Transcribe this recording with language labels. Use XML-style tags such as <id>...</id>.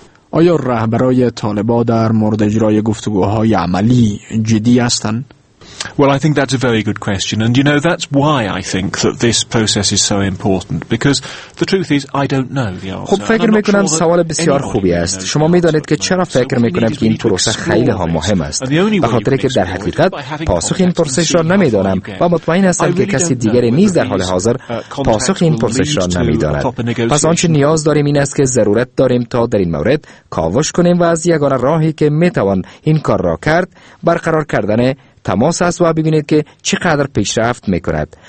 <fa>آیا رهبرای طالبان در مورد اجرای گفتگوهای عملی جدی هستند؟</fa> <en>Well, I think that's a very good question, and you know that's why I think that this process is so important. Because the truth is, I don't know the answer.</en> <fa>خب فکر میکنم سوال بسیار خوبی است. شما میدانید که چرا فکر میکنم که این پروسه خیلی ها مهم است. به خاطر که در حقیقت پاسخ این پرسش را نمیدانم و مطمئن هستم که کسی دیگری نیز در حال حاضر پاسخ این پرسش را نمیداند. پس آنچه نیاز داریم این است که ضرورت داریم تا در این مورد کاوش کنیم و از یگانه راهی که میتوان این کار را کرد برقرار کردن تماس است و ببینید که چقدر پیشرفت میکند.</fa>